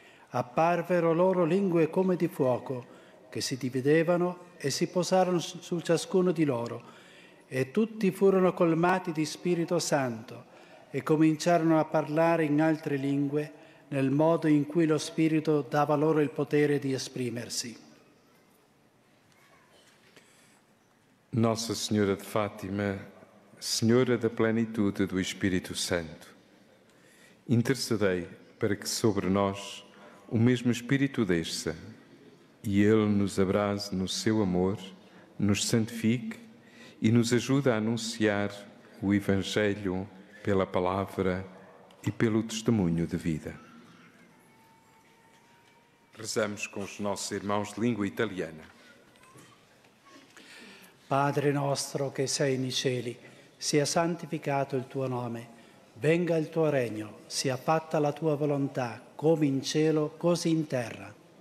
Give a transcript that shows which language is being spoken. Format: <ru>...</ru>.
<it>Apparvero loro lingue come di fuoco, che si dividevano e si posarono su ciascuno di loro. E tutti furono colmati di Spirito Santo e cominciarono a parlare in altre lingue, nel modo in cui lo Spirito dava loro il potere di esprimersi.</it> <pt>Nossa Senhora de Fátima, Senhora da plenitude do Espírito Santo, intercedei para que sobre nós o mesmo Espírito desça e Ele nos abrace no seu amor, nos santifique e nos ajude a anunciar o Evangelho pela palavra e pelo testemunho de vida. Rezamos com os nossos irmãos de língua italiana.</pt> <it>Padre nostro che sei nei cieli, sia santificato il tuo nome, venga il tuo regno, sia fatta la tua volontà, come in cielo, così in terra.</it>